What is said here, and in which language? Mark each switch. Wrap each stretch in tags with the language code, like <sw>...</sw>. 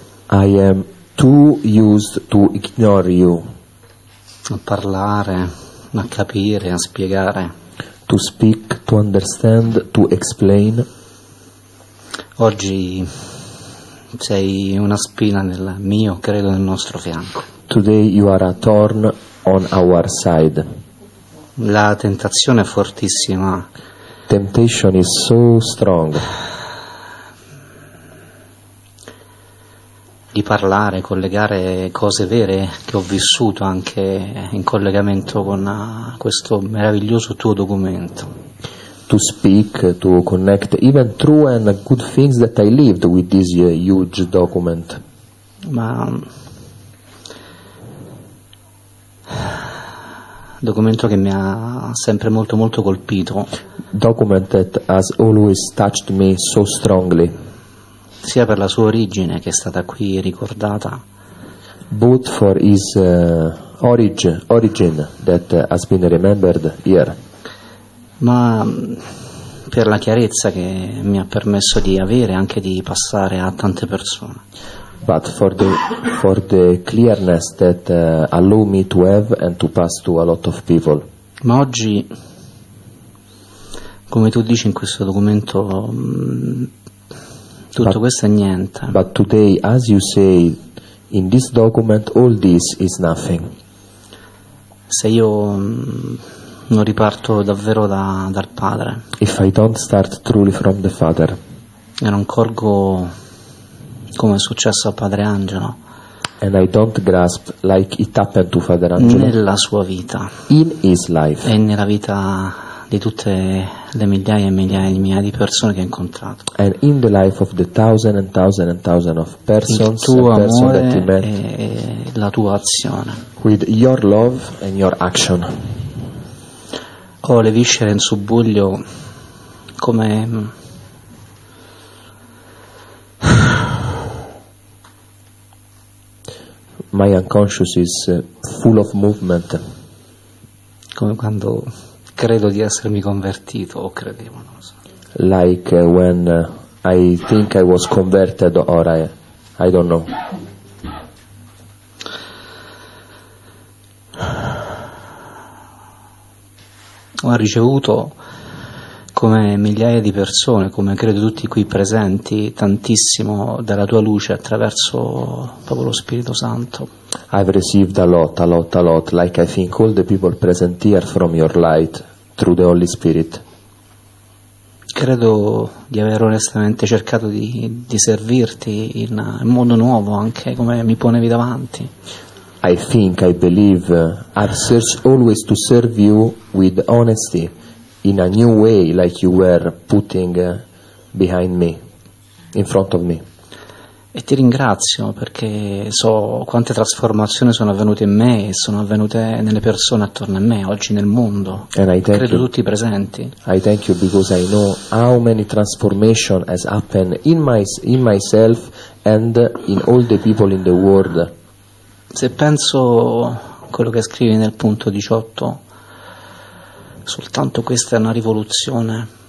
<en>I am too used to ignore you.</en> <it>A parlare, a capire, a spiegare.</it> <en>To speak, to understand, to explain.</en> <it>Oggi sei una spina nel mio, credo, nel nostro fianco.</it> <en>Today you are a thorn on our side.</en> <it>La tentazione è fortissima.</it> <en>Temptation is so strong.</en> <it>Di parlare, collegare cose vere che ho vissuto anche in collegamento con questo meraviglioso tuo documento.</it> <en>To speak, to connect even true and good things that I lived with this huge document.</en> <it>Ma documento che mi ha sempre molto molto colpito.</it> <en>Document that has always touched me so strongly.</en> <it>Sia per la sua origine che è stata qui ricordata.</it> <en>Both for his origin that has been remembered here.</en> <it>Ma per la chiarezza che mi ha permesso di avere anche di passare a tante persone.</it> <en>But for the clearness that allow me to have and to pass to a lot of people.</en> <it>Ma oggi, come tu dici in questo documento, tutto questo è niente.</it> <en>But today, as you say, in this document, all this is nothing.</en> <it>Se io non riparto davvero dal padre.</it> <en>If I don't start truly from the father.</en> <it>E non colgo come è successo a padre Angelo.</it> <en>And I don't grasp like it happened to father Angelo.</en> <it>Nella sua vita.</it> <en>In his life.</en> <it>E nella vita di tutte le migliaia e migliaia e migliaia di persone che ho incontrato.</it> <en>And in the life of the thousand and thousand and thousand of persons.</en> <it>Il tuo amore</it> <en>that he met,</en> <it>e la tua azione.</it> <en>With your love and your action.</en> <it>Ho le viscere in subbuglio come</it> <en>my unconscious is full of movement.</en> <it>Come quando credo di essermi convertito o credevo, non lo so.</it> <en>Like when I think I was converted or I don't know.</en> <it>Ho ricevuto come migliaia di persone, come credo tutti qui presenti, tantissimo dalla tua luce attraverso proprio lo Spirito Santo.</it> <en>I've received a lot, like I think all the people present here from your light, through the Holy Spirit.</en> <it>Credo di aver onestamente cercato di servirti in un modo nuovo, anche come mi ponevi davanti.</it> <en>I think, I believe, I've searched always to serve you with honesty, in a new way, like you were putting behind me, in front of me.</en> <it>E ti ringrazio perché so quante trasformazioni sono avvenute in me e sono avvenute nelle persone attorno a me, oggi nel mondo, credo tutti presenti.</it> <en>I thank you because I know how many transformations has happened in myself and in all the people in the world.</en> <it>Se penso a quello che scrivi nel punto 18, soltanto questa è una rivoluzione.</it>